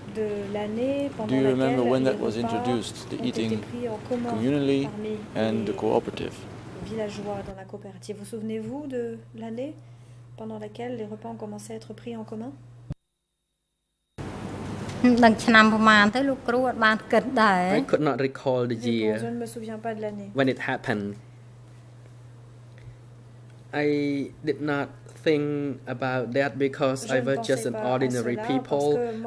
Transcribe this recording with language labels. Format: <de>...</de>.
<en>Do you remember when that was introduced, the eating communally and the cooperative?</en> <fr>Villageois dans la coopérative. Vous souvenez-vous de l'année pendant laquelle les repas ont commencé à être pris en commun?</fr> <en>I could not recall the year when it happened. I did not think about that because I was just an ordinary people.</en>